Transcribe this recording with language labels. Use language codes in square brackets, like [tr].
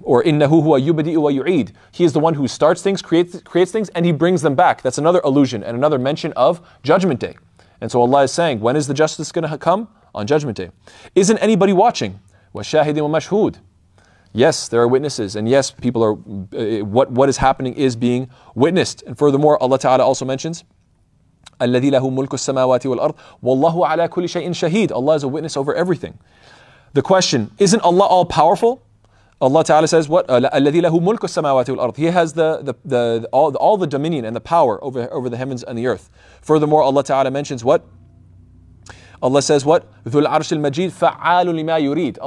[en] Or [ar] innahu huwa yubdi'u wa yu'id. [en] He is the one who starts things, creates things, and he brings them back. That's another allusion and another mention of judgment day. And so Allah is saying, when is the justice going to come? On judgment day. Isn't anybody watching? [ar] Wa shahidin wa mashhud. [en] Yes, there are witnesses. And yes, people are, what is happening is being witnessed. And furthermore, Allah Ta'ala also mentions, [ar] الَّذِي لَهُ مُلْكُ السَّمَاوَاتِ وَالْأَرْضِ وَاللَّهُ عَلَىٰ كُلِّ شَيْءٍ شَهِيدٍ. [en] Allah is a witness over everything. The question, isn't Allah all-powerful? Allah Ta'ala says, what? [ar] الَّذِي لَهُ مُلْكُ السَّمَاوَاتِ وَالْأَرْضِ. [en] He has all the dominion and the power over the heavens and the earth. Furthermore, Allah Ta'ala mentions what? Allah says what? [ar] ذُو الْعَرْشِ الْمَجِيدِ فَعَالُ لِمَا يُرِيدُ.